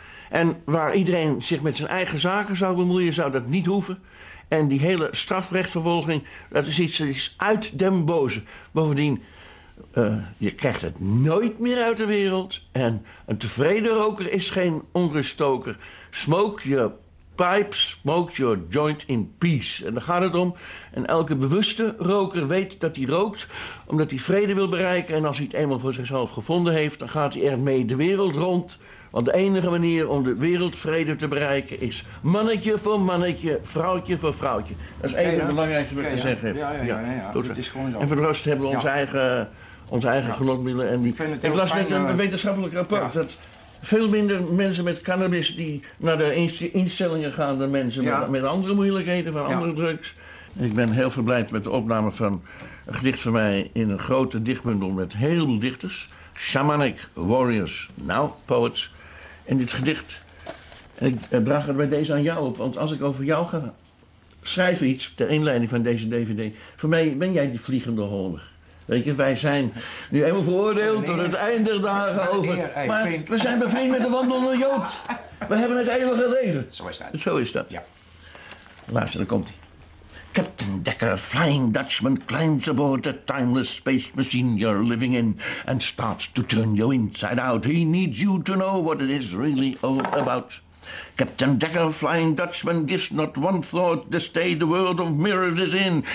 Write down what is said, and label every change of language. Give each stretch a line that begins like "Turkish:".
Dutch: En waar iedereen zich met zijn eigen zaken zou bemoeien, zou dat niet hoeven. En die hele strafrechtvervolging, dat is iets uit den boze. Bovendien, je krijgt het nooit meer uit de wereld. En een tevreden roker is geen onruststoker.
English: Smoke your pipe, smoke your joint in peace.
Dutch: En daar gaat het om. En elke bewuste roker weet dat hij rookt omdat hij vrede wil bereiken. En als hij het eenmaal voor zichzelf gevonden heeft, dan gaat hij ermee de wereld rond. Want de enige manier om de wereldvrede te bereiken is mannetje voor mannetje, vrouwtje voor vrouwtje. Dat is even het belangrijkste wat ik te zeggen heb. Ja, dat is gewoon zo. En voor de rest hebben we onze eigen genotmiddelen. En die, ik las net een wetenschappelijk rapport. Ja. Dat veel minder mensen met cannabis die naar de instellingen gaan dan mensen met andere moeilijkheden, van andere drugs. Ik ben heel verblijd met de opname van een gedicht van mij in een grote dichtbundel met heel veel dichters. Shamanic Warriors, Now Poets. En dit gedicht, en ik draag het bij deze aan jou op, want als ik over jou ga schrijven iets ter inleiding van deze DVD, voor mij ben jij die vliegende honig. Weet je, wij zijn nu helemaal veroordeeld tot het einde der dagen over. Maar we zijn bevriend met de wandelende Jood. We hebben het eeuwige leven. Zo is dat. Zo is dat. Ja. Luister, dan komt hij.
English: Captain Decker, Flying Dutchman, climbs aboard the timeless space machine you're living in and starts to turn you inside out. He needs you to know what it is really all about. Captain Decker, Flying Dutchman, gives not one thought the state the world of mirrors is in.